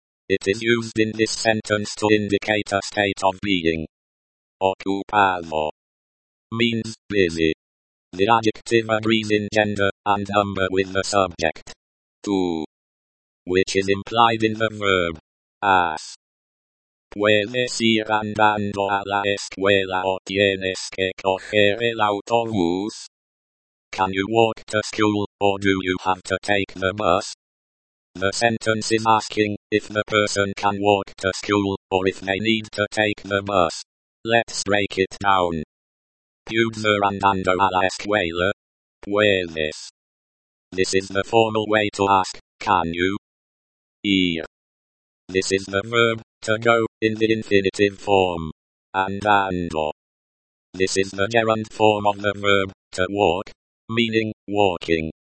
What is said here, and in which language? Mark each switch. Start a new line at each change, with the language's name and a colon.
English: It is used in this sentence to indicate a state of being. Ocupado means busy. The adjective agrees in gender and number with the subject, tú, which is implied in the verb has.
Spanish: ¿Puedes ir andando a la escuela o tienes que coger el autobús?
English: Can you walk to school, or do you have to take the bus? The sentence is asking if the person can walk to school, or if they need to take the bus. Let's break it down.
Spanish: ¿Puedes ir andando a la escuela? ¿Puedes?
English: This is the formal way to ask, can you? Ir. This is the verb, to go, in the infinitive form. Andando. This is the gerund form of the verb, to walk, meaning, walking.